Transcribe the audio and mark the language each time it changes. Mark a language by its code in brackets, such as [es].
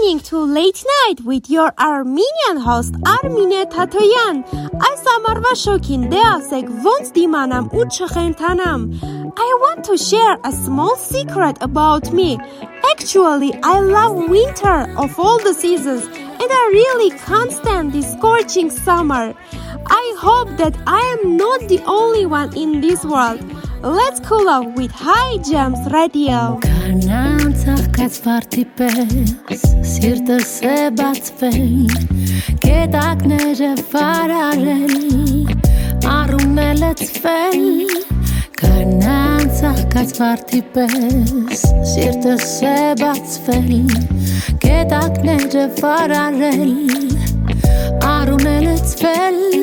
[en] Late Night with your Armenian host Armine Tatoyan. [hy] Այս ամառվա շոկին դե ասեք ո՞նց դիմանամ ու չխենթանամ. [en] I want to share a small secret about me. Actually, I love winter of all the seasons and I really can't stand this scorching summer. I hope that I am not the only one in this world. Let's cool off with High Jams Radio. [hy] Կանացած վարդի պես, սիրտս է բացվել, գետակները վարարել, առումը լցվել. Կանացած վարդի պես, սիրտս է բացվել, գետակները վարարել, առումը լցվել.